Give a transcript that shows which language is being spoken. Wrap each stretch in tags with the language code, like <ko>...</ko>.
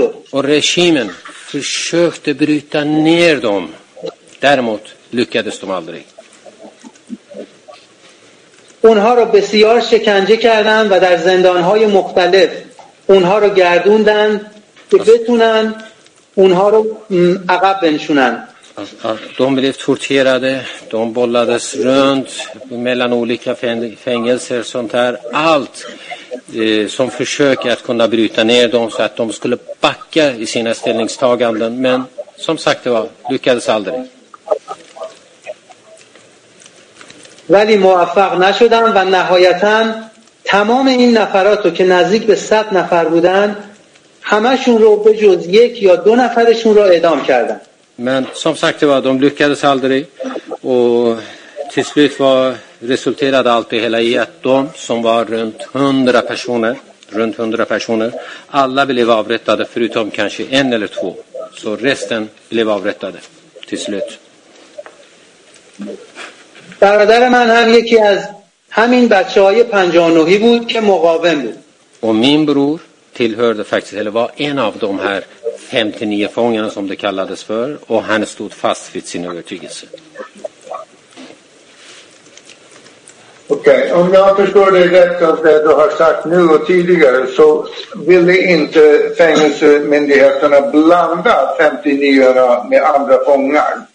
<sv>Och regimen försökte bryta ner dem. Däremot lyckades de aldrig.</sv> <fa>اونها رو بسیار شکنجه کردن و در زندان‌های مختلف اونها رو گردوندن بتونن اونها رو عقب بنشونن</fa> <sv>de blev torterade de bollades runt mellan olika fängelser sånt här allt som försöker att kunna bryta ner dem så att de skulle backa i sina ställningstaganden men som sagt det var lyckades aldrig</sv> <fa>ولی موفق نشدن و نهایتاً تمام این نفرات رو که نزدیک به 100 نفر بودن همشون رو به جز یک یا دو نفرشون رو اعدام کردن.</fa> <sv>من som sagt var de lyckades aldrig och till slut var resulterade allt det hela i att de som var runt 100 personer, runt 100 personer, alla blev avrättade förutom kanske en eller två, så resten blev avrättade till slut.</sv> <fa>برادر من هم یکی از همین بچه‌های 59 بود که مقاوم بود.</fa> <sv>و min bror tillhörde faktiskt, eller var en av de här 59 fångarna som det kallades för, och han stod fast vid sin övertygelse. Okej, om jag förstår dig rätt av det du har sagt nu och tidigare, så ville inte fängelsemyndigheterna blanda 59-erna med andra fångar.</sv>